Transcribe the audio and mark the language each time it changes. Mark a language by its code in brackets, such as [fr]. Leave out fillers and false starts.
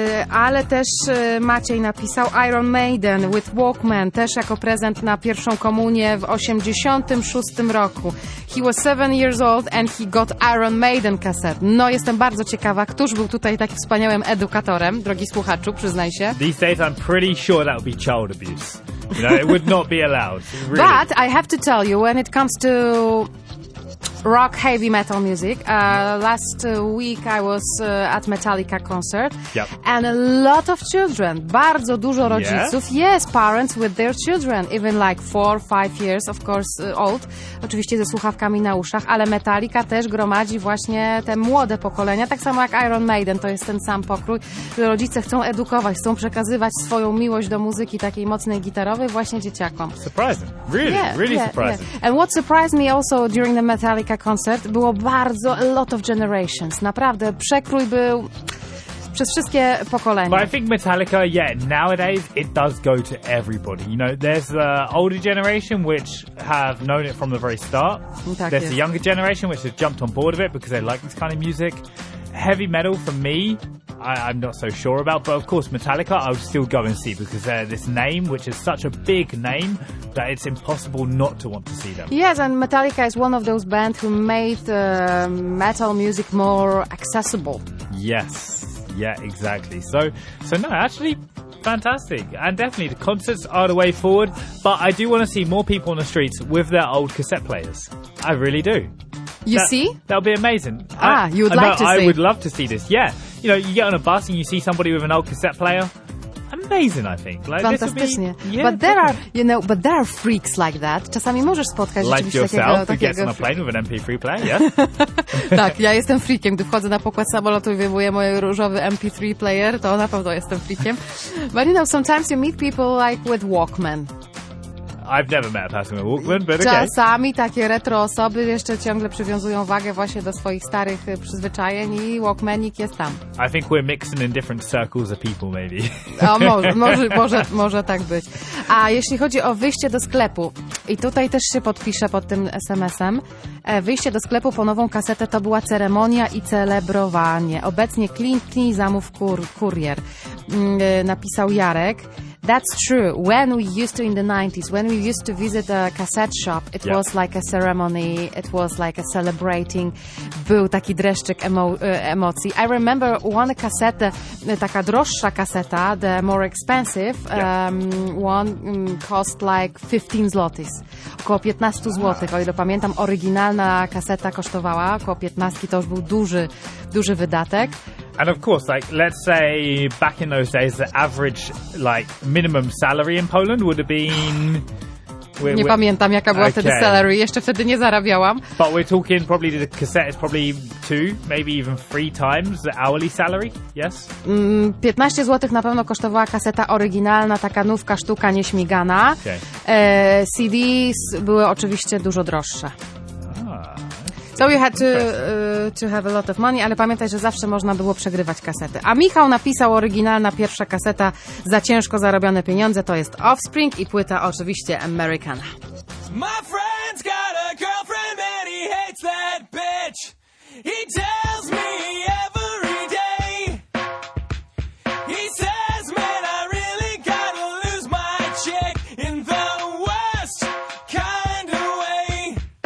[pl] Ale też Maciej napisał Iron Maiden with Walkman, też jako prezent na pierwszą komunię w 86 roku. [en] He was 7 years old and he got Iron Maiden cassette. [pl] No, jestem bardzo ciekawa, któż był tutaj takim wspaniałym edukatorem, drogi słuchaczu, przyznaj się. [en] These days I'm pretty sure that would be child abuse. You know, it would not be allowed. Really. But I have to tell you, when it comes to rock, heavy metal music. Last week I was at Metallica concert. Yep. And a lot of children, [pl] bardzo dużo rodziców, [en] yes, parents with their children, even like 4-5 years, of course, old, [pl] oczywiście ze słuchawkami na uszach, ale Metallica też gromadzi właśnie te młode pokolenia, tak samo jak Iron Maiden, to jest ten sam pokrój, że rodzice chcą edukować, chcą przekazywać swoją miłość do muzyki takiej mocnej gitarowej właśnie dzieciakom. [en] Surprising, really, surprising. Yeah. And what surprised me also during the Metallica [pl] koncert, było bardzo [en] a lot of generations. [pl] Naprawdę, przekrój był przez wszystkie pokolenia. [en] But I think Metallica, yeah, nowadays it does go to everybody. You know, there's the older generation which have known it from the very start. [pl] Tak jest. [en] The younger generation which has jumped on board of it because they like this kind of music. Heavy metal for me, I'm not so sure about, but of course Metallica I would still go and see because they're this name which is such a big name that it's impossible not to want to see them. Yes, and Metallica is one of those bands who made metal music more accessible. Yes, yeah, exactly. So no, actually fantastic, and definitely the concerts are the way forward, but I do want to see more people on the streets with their old cassette players. I really do. You that, see? That'll be amazing. I would love to see this. Yeah. You know, you get on a bus and you see somebody with an old cassette player. Amazing, I think. Like, fantastycznie. This would be, yeah, but there definitely. Are, you know, but there are freaks like that. [pl] Czasami możesz spotkać [en] like [pl] rzeczywiście [en] yourself, Like yourself, who gets on a plane with an MP3 player, yeah? [pl] Tak, ja jestem freakiem. Gdy wchodzę na pokład samolotu i wyjmuję mój różowy MP3 player, to na pewno jestem freakiem. [en] But you know, sometimes you meet people like with Walkman. I've never met a person with Walkman, but okay. [pl] Czasami takie retro osoby jeszcze ciągle przywiązują wagę właśnie do swoich starych przyzwyczajeń i Walkmanik jest tam. [en] I think we're mixing in different circles of people, maybe. [pl] O, może tak być. A jeśli chodzi o wyjście do sklepu, i tutaj też się podpiszę pod tym SMS-em, wyjście do sklepu po nową kasetę to była ceremonia i celebrowanie. Obecnie klikni, zamów kurier, napisał Jarek. [en] That's true. When we used to in the 90s, when we used to visit a cassette shop, it was like a ceremony, it was like a celebrating. [pl] Był taki dreszczyk emocji. [en] I remember one cassette, [pl] taka droższa kaseta, [en] the more expensive one cost like 15 zlotys. [pl] Około 15 zlotych, o ile pamiętam, oryginalna kaseta kosztowała około 15, to już był duży wydatek. [en] And of course, like, let's say back in those days, the average, like, minimum salary in Poland would have been... [pl] Nie pamiętam, jaka była wtedy salary. Jeszcze wtedy nie zarabiałam. [en] But we're talking probably the cassette is probably 2, maybe even 3 times the hourly salary, yes? [pl] 15 zł na pewno kosztowała kaseta oryginalna, taka nówka sztuka nieśmigana. [en] Okay. [pl] CDs były oczywiście dużo droższe. [en] So you had to have a lot of money, [pl] ale pamiętaj, że zawsze można było przegrywać kasety. A Michał napisał oryginalna pierwsza kaseta za ciężko zarobione pieniądze, to jest Offspring i płyta oczywiście Americana. [en] My friend's got a girlfriend and he hates that bitch. He tells me every day. He says, man, I really gotta lose my chick in the worst kind of way.